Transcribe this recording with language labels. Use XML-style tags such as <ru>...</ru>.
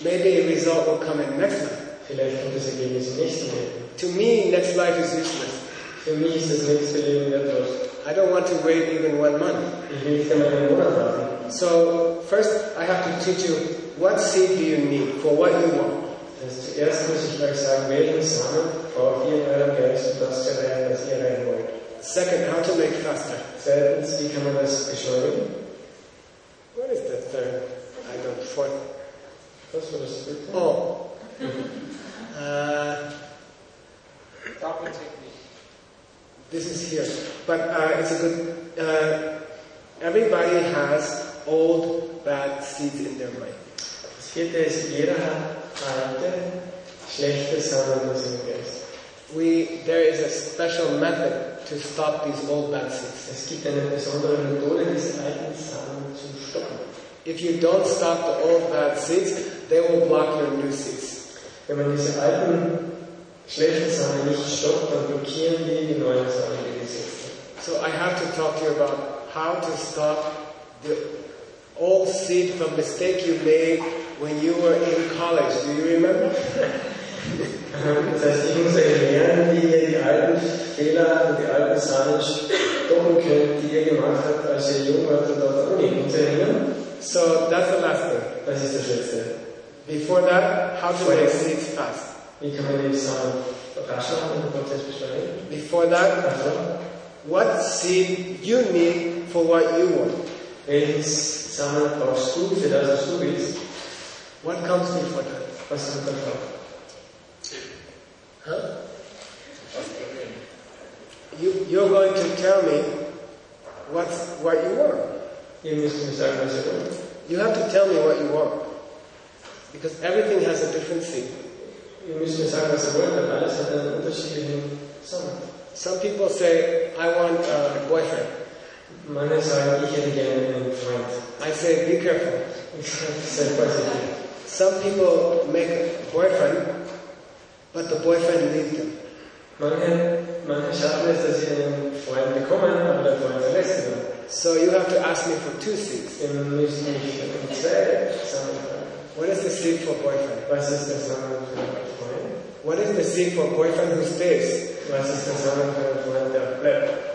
<en>Maybe a result will come in next life.</en> <de>Vielleicht kommt das Ergebnis im nächsten Leben.</de> <en>To me, next life is useless.</en> <de>Für mich ist das nächste Leben wertlos.</de> <en>I don't want to wait even 1 month.</en> <de>Ich will nicht einmal einen Monat warten.</de> <en>So, first I have to teach you, what seed do you need for what you want?</en> <de>Also zuerst muss ich euch sagen, welchen Samen braucht ihr in eurem Geist, um das zu erreichen, was ihr erreichen wollt.</de> <en>Second, how to make faster.</en> <de>Zweitens, wie kann man das beschleunigen?</de> <en>What is the third? I don't know. Fourth.</en> <de>Was war das dritte? Oh. Mm-hmm.</de> <en>This is here. But it's a good... everybody has old, bad seeds in their mind.</en> <de>Das vierte ist, jeder hat alte, schlechte Samen in seinem Geist.</de> <en>There is a special method to stop these old bad seeds.</en> <de>Es gibt eine besondere Methode, diese alten Samen zu stoppen.</de> <en>If you don't stop the old bad seeds, they will block your new seeds.</en> <de>Wenn man diese alten schlechten Samen nicht stoppt, dann blockieren die neuen Samen, die gesetzt werden.</de> <en>So I have to talk to you about how to stop the old seed from mistake you made when you were in college. Do you remember?</en> <de>Das heißt, ich muss euch lernen, wie ihr die alten Fehler und die alten Samen stoppen könnt, die ihr gemacht habt, als ihr jung wart und auf der Uni. Könnt ihr erinnern?</de> <en>So, that's the last thing.</en> <de>Das ist das Letzte.</de> <en>Before that, how to make seeds fast?</en> <de>Wie kann man die Samen rascher machen und den Prozess beschleunigen?</de> <en>Before that, also, what seed you need for what you want?</en> <de>Welches Samen brauchst du für das, was du willst?</de> <en>What comes before that?</en> <de>Was kommt davor? Huh?</de> <en>You're going to tell me what you want. You must decide what you want. You have to tell me what you want. Because everything has a different seed. You must decide what you want, but</en> <de>alles hat einen unterschiedlichen Samen.</de> <en>Some people say, I want a boyfriend.</en> <de>Manche sagen, ich hätte gerne einen Freund.</de> <en>I say, be careful.</en> <de>Sei vorsichtig.</de> <en>Some people make a boyfriend, but the boyfriend leaves them.</en> <de>Manche schaffen es, dass sie einen Freund bekommen, aber der Freund verlässt sie dann.</de> <en>So you have to ask me for two seeds.</en> <de>Dann müssen wir mich um zwei Samen fragen.</de> <en>What is the seed for boyfriend?</en> <de>Was ist der Samen für Freund?</de> <en>What is the seed for boyfriend who stays?</en> <de>Was ist der Samen für Freund, der bleibt?</de>